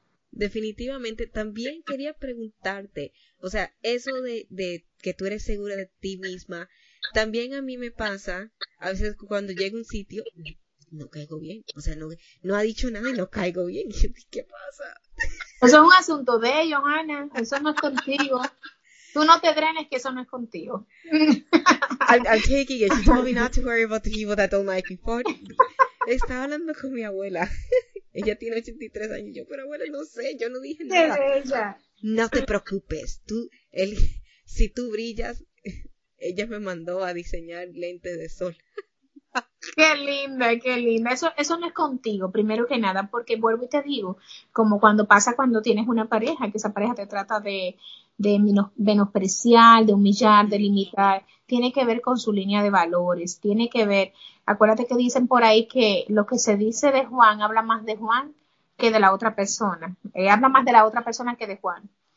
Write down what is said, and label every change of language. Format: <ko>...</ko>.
<es>Definitivamente, también quería preguntarte, o sea, eso de que tú eres segura de ti misma, también a mí me pasa, a veces cuando llego a un sitio, no caigo bien, o sea, no ha dicho nada y no caigo bien. ¿Qué Eso es un asunto de ellos, Ana. Eso no es contigo. Tú no te drenes que eso no es contigo.</es> <en>I'm taking it. She told me not to worry about the people that don't like me for me.</en> <es>Estaba hablando con mi abuela. Ella tiene 83 años. Yo, pero abuela, no sé, yo no dije nada. Ella. No te preocupes. Si tú brillas, ella me mandó a diseñar lentes de sol. Qué linda, qué linda. Eso no es contigo, primero que nada, porque vuelvo y te digo, como cuando pasa cuando tienes una pareja, que esa pareja te trata de menospreciar, de humillar, de limitar, tiene que ver con su línea de valores, tiene que ver, acuérdate que dicen por ahí que lo que se dice de Juan habla más de Juan que de la otra persona, habla más de la otra persona que de Juan.</es>